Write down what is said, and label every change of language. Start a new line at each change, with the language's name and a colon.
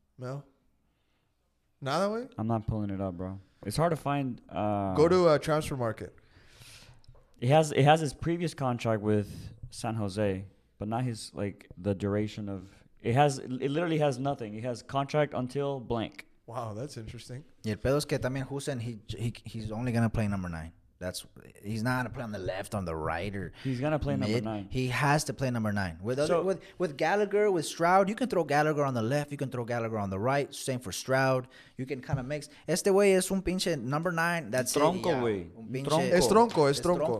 English: No. Not that way? I'm not pulling it up, bro. It's hard to find. Go to transfer market. He has his previous contract with San Jose, but not his, like, the duration of. It literally has nothing. He has contract until blank. Wow, that's interesting. Yeah,
Spanish: pero es que también
English: Husen, he's only going to play number nine. He's not going to play on the left, on the right, or he's going to play number nine. He has to play number nine. With Gallagher, with Stroud, you can throw Gallagher on the left. You can throw Gallagher on the right. Same for Stroud. You can kind of mix.
Spanish: Este güey es un pinche
English: number nine. That's
Spanish: tronco,
English: it. Yeah.
Spanish: Tronco, güey. Es tronco.